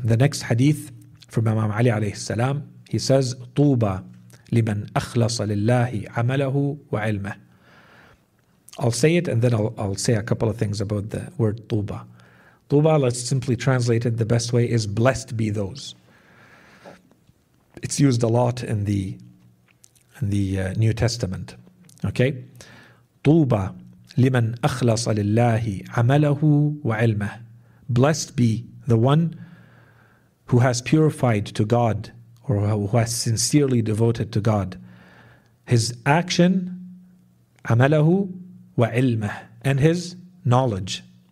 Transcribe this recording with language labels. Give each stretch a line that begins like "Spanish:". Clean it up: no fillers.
English: The next hadith from Imam Ali alayhi salam, he says,
Arabic: طُوبَ لِمَنْ أَخْلَصَ لِلَّهِ عَمَلَهُ وَعِلْمَهُ.
English: I'll say it and then I'll say a couple of things about the word طُوبَ. طوبى, let's simply translate it, the best way is blessed be those. It's used a lot in the New Testament. Okay?
Arabic: طوبى لمن أخلص لله عمله وعلمه.
English: Blessed be the one who has purified to God, or who has sincerely devoted to God, his action,
Arabic: عمله وعلمه,
English: and his knowledge.